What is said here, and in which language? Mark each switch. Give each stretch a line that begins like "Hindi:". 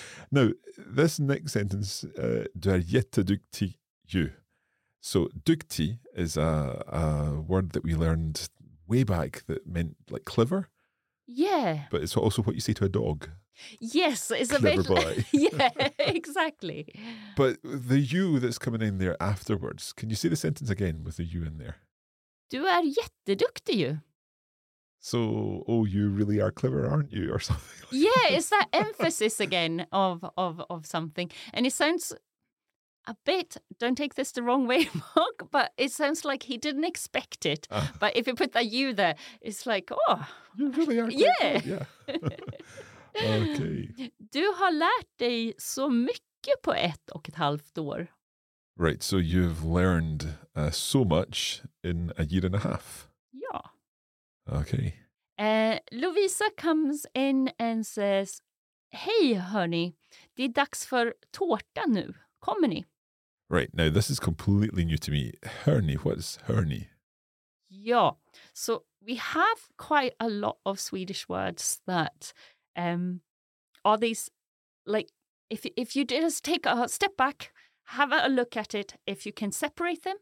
English: Now, this next sentence,
Swedish: du är jätteduktig ju.
English: So duktig is a word that we learned way back that meant like clever. Yeah. But it's also what you say to a dog. Yes, it's clever a bit. Boy. Yeah, exactly. But the you that's coming in there afterwards, can you say the sentence again with the you in there?
Swedish: Du är jätteduktig ju.
English: So, oh, you really are clever, aren't you? Or something. Like yeah, it's that emphasis again of something. And it sounds a bit, don't take this the wrong way, Mark, but it sounds like he didn't expect it. But if you put that you there, it's like, oh. You really are clever. Yeah. Okay.
Swedish: Du har lärt dig så mycket på ett och ett halvt år.
English: Right, so you've learned so much in a year and a half.
Swedish: Ja.
English: Okay. Lovisa comes in and says,
Swedish: hej hörni, det är dags för tårta nu. Kommer ni?
English: Right, now this is completely new to me. Hörni, what is hörni? Ja, so we have quite a lot of Swedish words that are these, like, if you just take a step back, have a look at it, if you can separate them.